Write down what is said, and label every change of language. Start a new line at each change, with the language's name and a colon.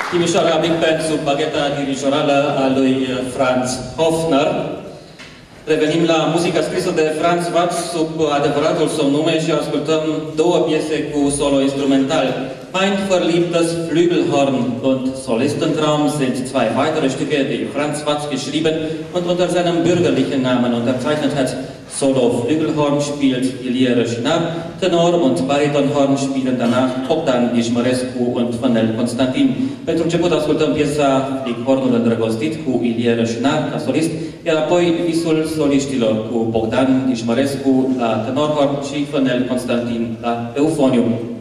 Romanian: Timișoara a venit pentru bagheta dirijorală a lui Franz Hofner. Revenim la muzica scrisă de Franz Watt sub adevăratul său nume și ascultăm două piese cu solo instrumental.
German: Mind verliebtes Flügelhorn und Solistentraum sind zwei weitere Stücke, die Franz Watt geschrieben und unter seinem bürgerlichen Namen unterzeichnet hat. Solo Flügelhorn spielt Ilie Schnapp, Tenor und Baritonhorn spielen danach Bogdan Ismărescu und Vanel Constantin.
Romanian: Pentru început ascultăm piesa Flighornul îndrăgostit cu Ilie Schnapp ca solist, iar apoi visul soliștilor cu Bogdan Ismărescu la Tenorhorn și Vanel Constantin la Eufonium.